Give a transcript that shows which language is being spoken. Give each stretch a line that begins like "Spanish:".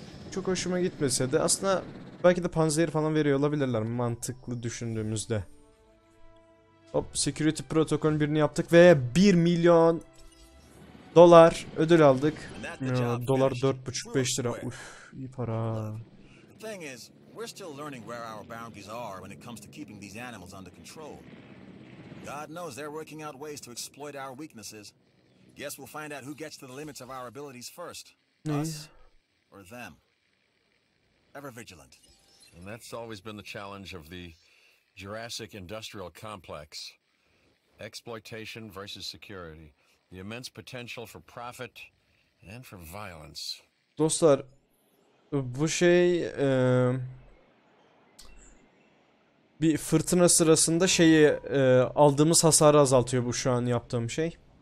Turkish: Çok hoşuma gitmese de aslında belki de panzehir falan veriyor olabilirler mantıklı düşündüğümüzde. Hop, security protokolün birini yaptık ve 1 milyon dolar ödül aldık. Dolar 4,5-5 lira. Uf, iyi para.
English: We're still learning where our bounties are when it comes to keeping these animals under control. God knows they're working out ways to exploit our weaknesses. Guess we'll find out who gets to the limits of our abilities first. Us or them. Ever vigilant. And that's always been the challenge of the Jurassic Industrial Complex. Exploitation versus security. The immense potential for profit and for violence.
Turkish: Dostlar, bu şey bir fırtına sırasında şeyi aldığımız hasarı azaltıyor bu şu an yaptığım şey.